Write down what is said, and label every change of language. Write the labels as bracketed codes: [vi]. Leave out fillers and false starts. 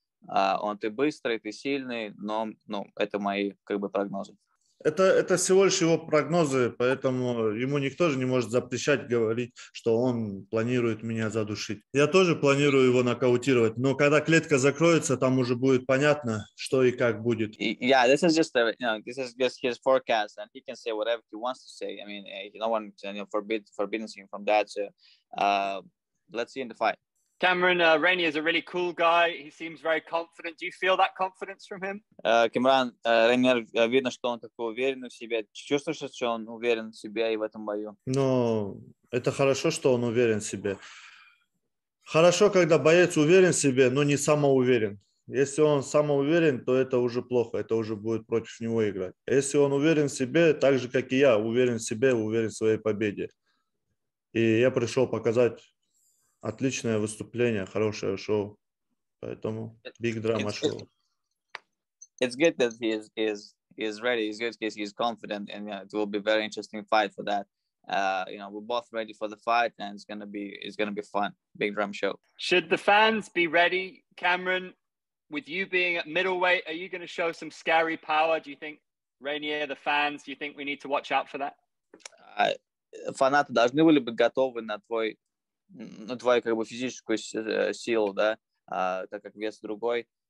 [ru] Он, ты быстрый, ты сильный, но, ну, это мои, как бы, прогнозы. Это всего лишь его прогнозы, поэтому ему никто же не может запрещать говорить, что он планирует меня задушить. Я тоже планирую его нокаутировать, но когда клетка закроется, там уже будет понятно, что и как будет. [en] Yeah, this is just, you know, this is just his forecast, and he can say whatever he wants to say. I mean, no one can forbidding him from that. So, let's see in the fight. Kiamran, Reinier is a really cool guy. He seems very confident. Do you feel that confidence from him? [ru] Kiamran, Reinier, видно, что он такой уверенный в себе. Чувствуешь, что он уверен в себе и в этом бою? Ну, это хорошо, что он уверен в себе. Хорошо, когда боец уверен в себе, но не самоуверен. Если он самоуверен, то это уже плохо. Это уже будет против него играть. Если он уверен в себе, так же, как и я, уверен в себе, уверен в своей победе. И я пришел показать... Отличное выступление, хорошее шоу. Поэтому [en] big drama show. It's good that he is ready. It's good because he's confident, and yeah, it will be a very interesting fight for that. You know, we're both ready for the fight, and it's gonna be fun. Big drama show. Should the fans be ready, Kiamran? With you being at middleweight, are you gonna show some scary power? Do you think Reinier, the fans, do you think we need to watch out for that? [ru] Фанаты должны были быть готовы на твой. Ну, твою, как бы, физическую силу, да, так как вес другой.